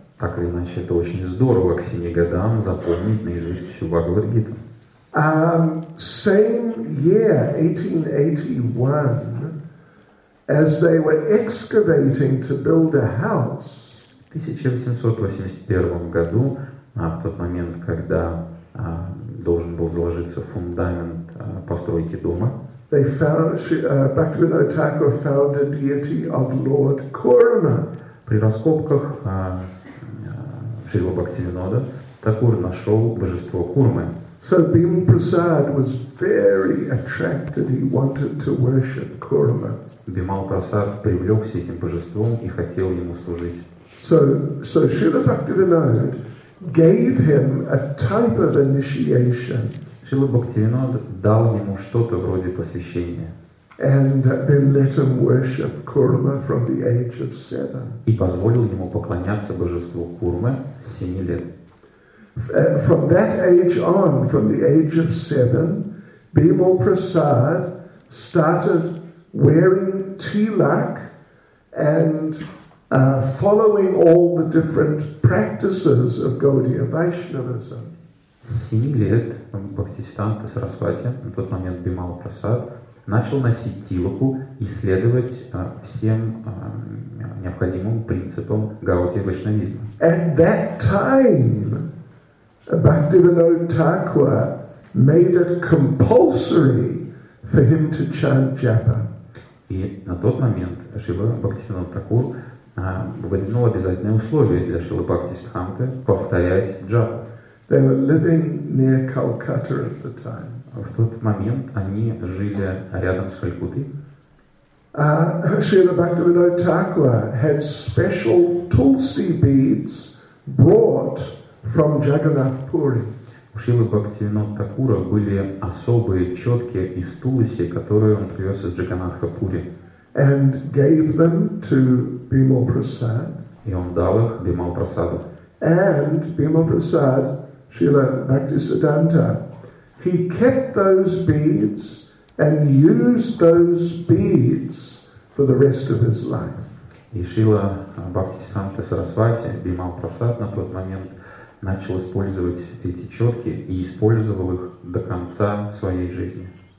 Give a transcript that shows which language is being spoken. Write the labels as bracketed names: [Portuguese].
[Russian] Так или иначе, это очень здорово к 7 годам запомнить наизусть всю Бхагавад-гиту. [English] Same year, 1881, as they were excavating to build a house. [Russian] В 1881 году, в тот момент, когда должен был заложиться фундамент постройки дома, [English] Bhaktivinoda Thakura found a deity of Lord Kurma. [Russian] При раскопках Шрила Бхактивинода Такур нашел божество Курмы. [English] So Bhim Prasad was very attracted. He wanted to worship Kurma. [Russian] Бимал Прасад привлекся этим божеством и хотел ему служить. [English] So Srila Bhaktivinoda gave him a type of initiation. [Russian] Srila Bhaktivinoda дал ему что-то вроде посвящения. [English] And then let him worship Kurma from the age of 7. [Russian] И позволил ему поклоняться божеству Курмы с 7 лет. [English] From that age on, from the age of 7, Bimal Prasad started wearing tilak and following all the different practices of Gaudiya Vaishnavism. [Russian] С 7 лет Бхактисиддханта Сарасвати, на тот момент Бимал Прасад, начал носить тилаку и следовать всем необходимым принципам Гаудии Вайшнавизма. [English] At that time, Bhaktivinoda Thakura made it compulsory for him to chant japa. [Russian] И на тот момент Шрила Бхактивинода Такур выдвинул обязательное условие для Шрилы Бхактисиддханты повторять джапу. [English] They were living near Calcutta at the time. [Russian] В тот момент они жили рядом с Калькуттой. [English] Шрила Бхактивинода Такура had special tulsi beads brought from Jagannath Puri. [Russian] У Шрилы Бхактивинода Такура были особые четки из тулси, которые он привез из Джаганнатха Пури. [English] And gave them to Bimal Prasad. [Russian] И он дал их Бимал Прасаду. [English] And Bimal Prasad, Srila Bhaktisiddhanta, he kept those beads and used those beads for the rest of his life. [Russian] И Шрила Бхактисиддханта Сарасвати, Бимал Прасад на тот момент начал использовать эти четки и использовал их до конца своей жизни.